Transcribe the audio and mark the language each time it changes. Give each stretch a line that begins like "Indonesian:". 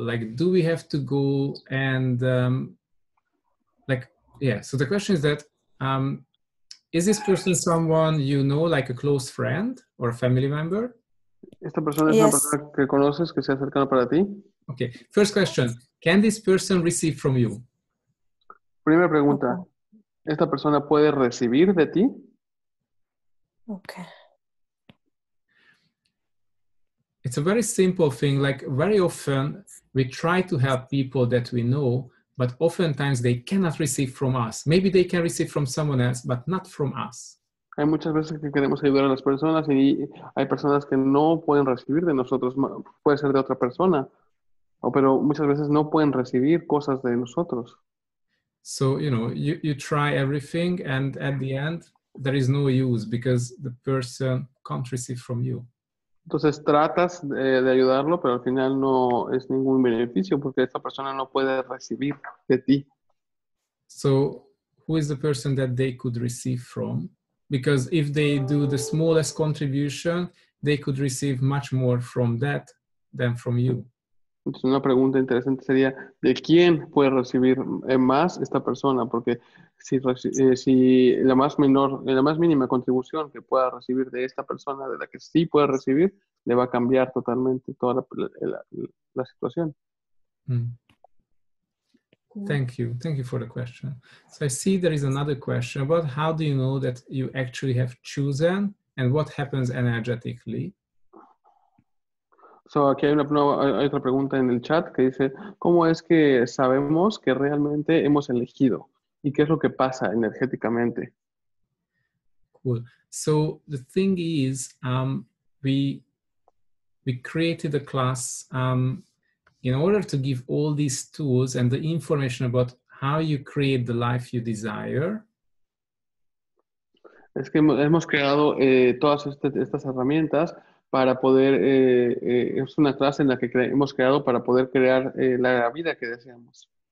English: Like, do we have to go and, so the question is that, is this person someone you know, like a close friend or a family member?
Spanish: Esta persona es una persona que conoces, que sea cercana para ti.
English: Okay, first question, can this person receive from you?
Spanish: Primera pregunta, ¿esta persona puede recibir de ti?
English: Okay. It's a very simple thing, like very often we try to help people that we know, but oftentimes they cannot receive from us. Maybe they can receive from someone else, but not from us.
Spanish: Hay muchas veces que queremos ayudar a las personas y hay personas que no pueden recibir de nosotros. Puede ser de otra persona, pero muchas veces no pueden recibir cosas de nosotros.
English: So, you know, you try everything and at the end, there is no use because the person can't receive from you.
Spanish: Entonces tratas de ayudarlo, pero al final no es ningún beneficio porque esta persona no puede recibir de ti.
English: So, who is the person that they could receive from? Because if they do the smallest contribution, they could receive much more from that than from you.
Spanish: Entonces, una pregunta interesante sería, ¿de quién puede recibir más esta persona? Porque si la más menor, la más mínima contribución que pueda recibir de esta persona, de la que sí puede recibir, le va a cambiar totalmente toda la situación.
English: Thank you for the question. So I see there is another question about how do you know that you actually have chosen and what happens energetically?
Spanish: So aquí hay otra pregunta en el chat que dice, ¿cómo es que sabemos que realmente hemos elegido? ¿Y qué es lo que pasa energéticamente?
English: Cool. So the thing is, we created a class in order to give all these tools and the information about how you create the life you desire.
Spanish: Es que hemos creado todas estas herramientas para poder, es una clase en la que hemos creado para poder crear la vida que deseamos.